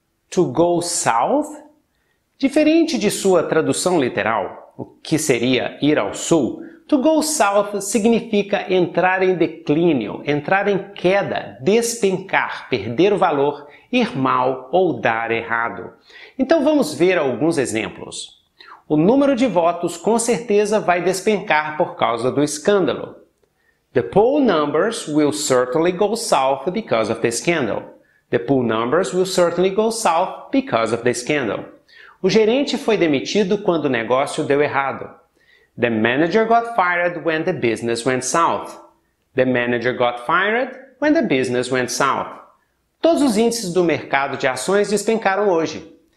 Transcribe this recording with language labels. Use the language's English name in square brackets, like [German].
[Portuguese] To go south? Diferente de sua tradução literal, o que seria ir ao sul, to go south significa entrar em declínio, entrar em queda, despencar, perder o valor, ir mal ou dar errado. Então vamos ver alguns exemplos. O número de votos com certeza vai despencar por causa do escândalo. [English] The poll numbers will certainly go south because of the scandal. The poll numbers will certainly go south because of the scandal. [Portuguese] O gerente foi demitido quando o negócio deu errado. [English] The manager got fired when the business went south. The manager got fired when the business went south. [Portuguese] Todos os índices do mercado de ações despencaram hoje.